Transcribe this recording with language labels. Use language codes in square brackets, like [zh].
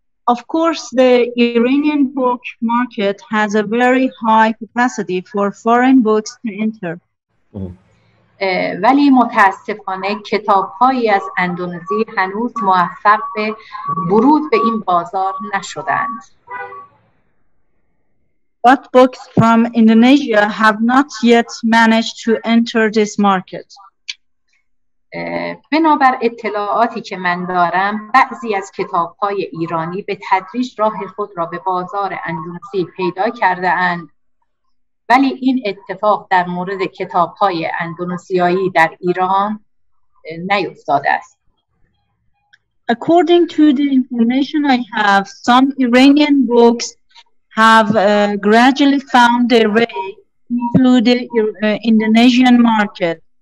[en] Of course, the Iranian book market has a very high capacity for foreign books to enter. [fa] ولی متاسفانه کتاب‌هایی از اندونزی هنوز موفق به ورود به این بازار نشدند. [en] But books from Indonesia have not yet managed to enter this market. [fa] بنابر اطلاعاتی که من دارم، بعضی از کتاب‌های ایرانی به تدریج راه خود را به بازار اندونزی پیدا کرده‌اند. ولی این اتفاق در مورد کتاب‌های اندونزیایی در ایران نیفتاده است. [en] According to the information I have, some Iranian books have gradually found their way into the Indonesian market.